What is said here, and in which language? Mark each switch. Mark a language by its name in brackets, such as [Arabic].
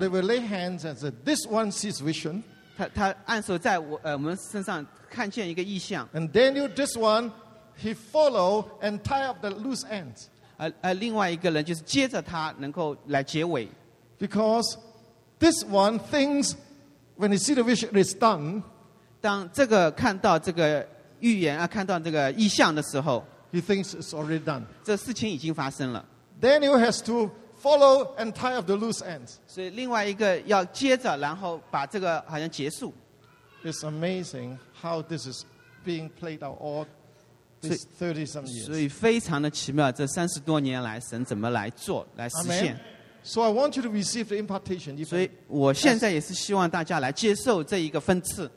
[English] but they will lay hands and say, this one sees vision. [Chinese] 他按手在我们身上看见一个异象, [English] and Daniel, this one, he follow and tie up the loose ends. [Chinese] 另外一个人就是接着他能够来结尾, [English] because this one thinks when he sees the vision is done, [Chinese] 当这个看到这个预言, 看到这个异象的时候, [English] he thinks it's already done. [Chinese] 这事情已经发生了, [English] Daniel has to follow and tie up the loose ends. [Chinese] 所以另外一个要接着然后把这个好像结束, [English] it's amazing how this is being played out all these 30 some years. [Chinese] 所以非常的奇妙, 这30多年来, 神怎么来做, 来实现。 [English] So I want you to receive the impartation. [Chinese] 所以我现在也是希望大家来接受这一个分赐。